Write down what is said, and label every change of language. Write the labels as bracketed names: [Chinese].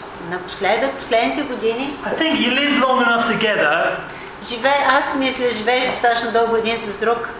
[Bulgarian] Напоследък, последните години. [English] I think you live long enough together. [Bulgarian] Аз мисля, живееш достатъчно дълго един с друг.